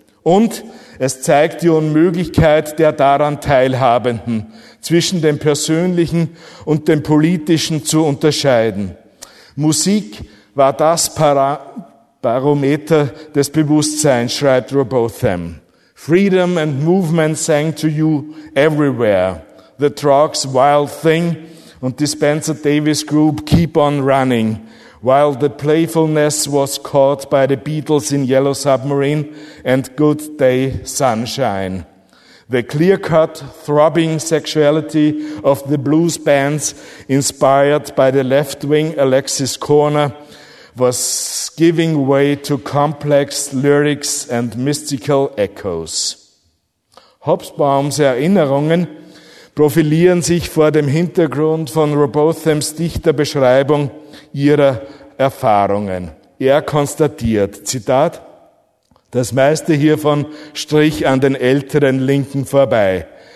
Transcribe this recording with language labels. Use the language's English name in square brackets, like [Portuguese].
[German] Und es zeigt die Unmöglichkeit der daran Teilhabenden, zwischen dem Persönlichen und dem Politischen zu unterscheiden. Musik war das Barometer des Bewusstseins, schreibt Robotham. [English] Freedom and movement sang to you everywhere. The Troggs' Wild Thing [German] und die [English] Spencer Davis Group Keep on Running, while the playfulness was caught by the Beatles in Yellow Submarine and Good Day Sunshine. The clear-cut, throbbing sexuality of the blues bands inspired by the left-wing Alexis Corner was giving way to complex lyrics and mystical echoes. [German] Hobsbawms Erinnerungen profilieren sich vor dem Hintergrund von Robothams Dichterbeschreibung ihrer Erfahrungen. Er konstatiert, Zitat, das meiste hiervon strich an den älteren Linken vorbei.